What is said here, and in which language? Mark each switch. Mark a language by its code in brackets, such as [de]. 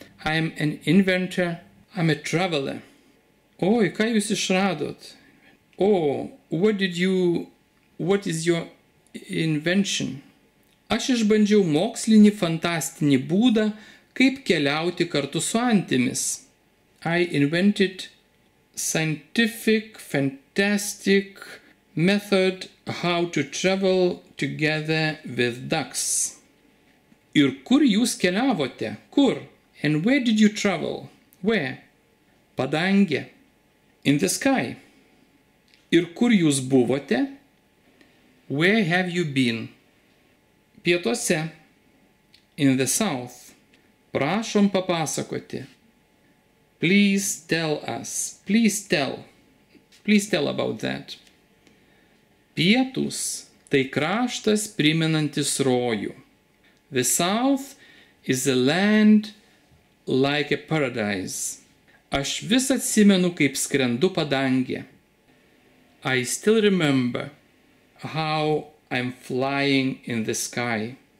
[en] I am an inventor. I'm a traveler. [lt] Oi, ką jūs išradot? [en] Oh, what is your invention? [lt] Aš išbandžiau mokslinį fantastinį būdą, kaip keliauti kartu su antimis. [en] I invented scientific, fantastic method how to travel together with ducks. [lt] Ir kur jūs keliavote? Kur? [en] And where did you travel? Where? [lt] Padangė. [en] In the sky. [lt] Ir kur jūs buvote? [en] Where have you been? [lt] Pietuose. [en] In the south. [lt] Prašom papasakoti. [en] Please tell us. Please tell. Please tell about that. [lt] Pietus tai kraštas primenantis rojų. [en] The south is a land like a paradise. [lt] Aš vis atsimenu, kaip skrendu padangė. [en] I still remember how I'm flying in the sky.